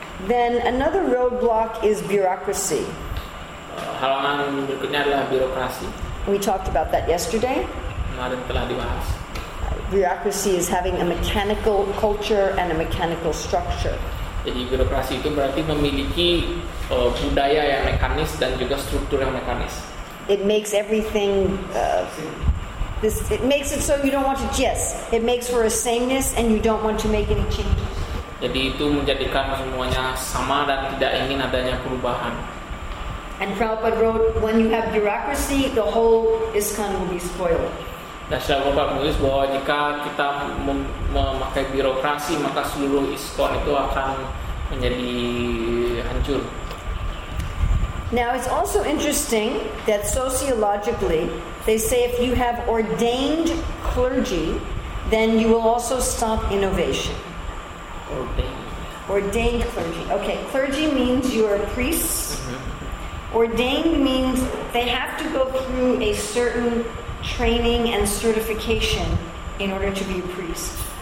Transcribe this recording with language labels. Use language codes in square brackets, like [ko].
[en] Then another roadblock is bureaucracy. [id] Halangan berikutnya adalah birokrasi. [en] We talked about that yesterday. [id] Kemarin telah dibahas. [en] Bureaucracy is having a mechanical culture and a mechanical structure. [id] Jadi birokrasi itu berarti memiliki budaya yang mekanis dan juga struktur yang mekanis. [en] It makes everything this. It makes it so you don't want to. Yes, it makes for a sameness and you don't want to make any changes. [id] Jadi itu menjadikan semuanya sama dan tidak ingin adanya perubahan. [en] And Prabhupada wrote, when you have bureaucracy, the whole ISKCON will be spoiled. [id] Dan Prabhupada menulis bahwa jika kita memakai birokrasi, maka seluruh ISKCON itu akan menjadi hancur. [en] Now it's also interesting that sociologically they say if you have ordained clergy, then you will also stop innovation. Ordained clergy. Okay, clergy means you are priests. Ordained means they have to go through a certain training and certification in order to be a priest.